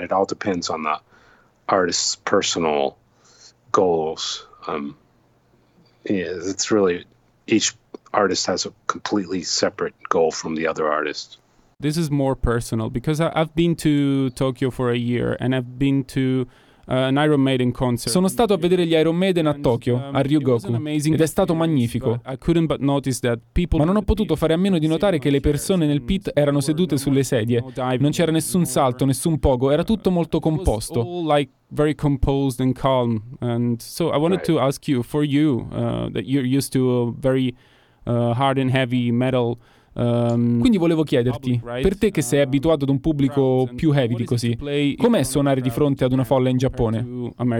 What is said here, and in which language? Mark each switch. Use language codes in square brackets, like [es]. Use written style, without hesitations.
[en] It all depends on the artist's personal goals. It's really, each artist has a completely separate goal from the other artist. This is more personal because I've been to Tokyo for a year and I've been to an Iron Maiden concert. [it] Sono stato a vedere gli Iron Maiden a Tokyo, a Ryugoku, ed è stato magnifico. Ma non ho potuto fare a meno di notare che le persone nel pit erano sedute sulle sedie. Non c'era nessun salto, nessun pogo, era tutto molto composto. [en] Very composed and calm. And so I wanted to ask you, for you, that you're used to a very hard and heavy metal. [it] Quindi volevo chiederti, per te che sei abituato ad un pubblico più heavy di così, com'è suonare di fronte ad una folla in Giappone?